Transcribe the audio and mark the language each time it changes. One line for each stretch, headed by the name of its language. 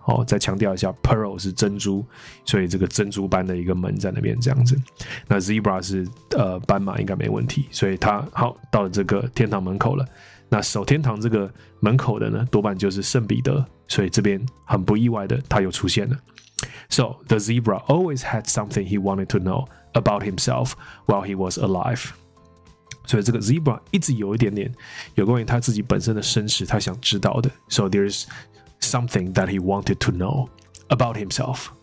Chinese: 哦，再强调一下 ，pearl 是珍珠，所以这个珍珠般的一个门在那边这样子。那 zebra 是斑马应该没问题，所以他好到了这个天堂门口了。那守天堂这个门口的呢，多半就是圣彼得，所以这边很不意外的他又出现了。
English: So, the zebra always had something he wanted to know about himself while he was alive.
Chinese: 所以这个 zebra 一直有一点点有关于他自己本身的身世他想知道的。
English: So, there's something that he wanted to know about himself.